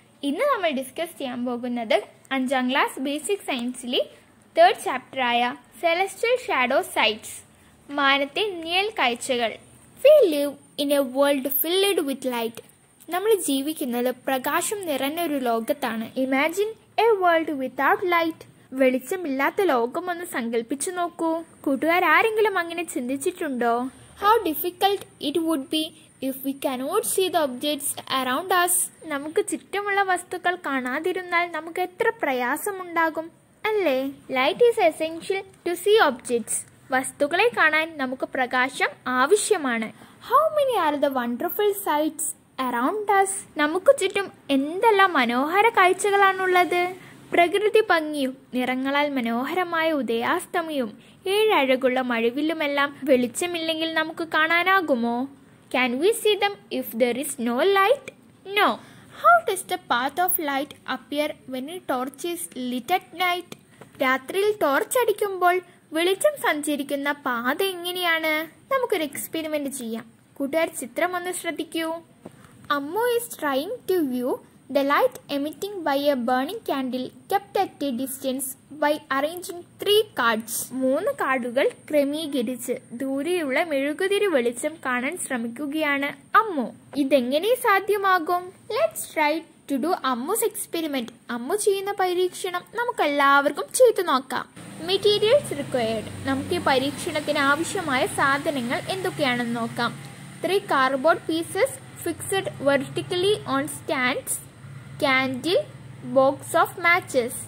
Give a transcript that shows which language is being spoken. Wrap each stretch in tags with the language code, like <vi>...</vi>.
<ml>ഇന്ന് നമ്മൾ ഡിസ്കസ് ചെയ്യാൻ പോകുന്നത് അഞ്ചാം ക്ലാസ് ബേസിക് സയൻസിലെ തേർഡ് ചാപ്റ്റർ ആയ സെലസ്ട്രൽ ഷാഡോ സൈറ്റ്സ്, മാനത്തെ നിയൽ കാഴ്ചകൾ.</ml> <en>We live in a world filled with light.</en> <ml>നമ്മൾ ജീവിക്കുന്നത് പ്രകാശം നിറഞ്ഞൊരു ലോകത്താണ്.</ml> <en>Imagine a world without light.</en> <ml>വെളിച്ചമില്ലാത്ത ലോകമൊന്ന് സങ്കല്പിച്ചു നോക്കൂ. കൂട്ടുകാരാരെങ്കിലും അങ്ങനെ ചിന്തിച്ചിട്ടുണ്ടോ?</ml> <en>How difficult it would be if we cannot see the objects around us.</en> <ml>നമുക്ക് ചുറ്റുമുള്ള വസ്തുക്കൾ കാണാതിരുന്നാൽ നമുക്ക് എത്ര പ്രയാസമുണ്ടാകും അല്ലേ?</ml> <en>Light is essential to see objects.</en> <ml>വസ്തുക്കളെ കാണാൻ നമുക്ക് പ്രകാശം ആവശ്യമാണ്.</ml> <en>How many are the wonderful sights around us?</en> <ml>നമുക്ക് ചുറ്റും എന്തെല്ലാം മനോഹര കാഴ്ചകളാണുള്ളത്? പ്രകൃതി ഭംഗിയും നിറങ്ങളാൽ മനോഹരമായ ഉദയാസ്തമയും ഏഴഴകുള്ള മഴവില്ലുമെല്ലാം വെളിച്ചമില്ലെങ്കിൽ നമുക്ക് കാണാനാകുമോ?</ml> <en>Can we see them if there is no light? No. How does the path of light appear when a torch is lit at night?</en> <ml>രാത്രിയിൽ torch അടിക്കുമ്പോൾ വെളിച്ചം സഞ്ചരിക്കുന്ന പാത എങ്ങനെയാണ്? നമുക്കൊരു എക്സ്പെരിമെന്റ് ചെയ്യാം. കൂട്ടുകാർ ചിത്രം ഒന്ന് ശ്രദ്ധിക്കൂ.</ml> <en>Ammu is trying to view The light emitting by a burning candle kept at a distance by arranging three cards.</en> <ml>മൂന്ന് കാർഡുകൾ ക്രമീകരിച്ച് ദൂരെയുള്ള മെഴുകുതിരി വെളിച്ചം കാണാൻ ശ്രമിക്കുകയാണ് അമ്മു. ഇതെങ്ങനെ സാധ്യമാകും?</ml> <en>Let's try to do Ammu's experiment.</en> <ml>Ammu ചെയ്യുന്ന പരീക്ഷണം നമുക്ക് എല്ലാവർക്കും ചെയ്തു നോക്കാം.</ml> <en>Materials required.</en> <ml>നമുക്ക് ഈ പരീക്ഷണത്തിന് ആവശ്യമായ സാധനങ്ങൾ എന്തൊക്കെയാണെന്ന് നോക്കാം.</ml> <en>Three cardboard pieces fixed vertically on stands, candle, box of matches.</en>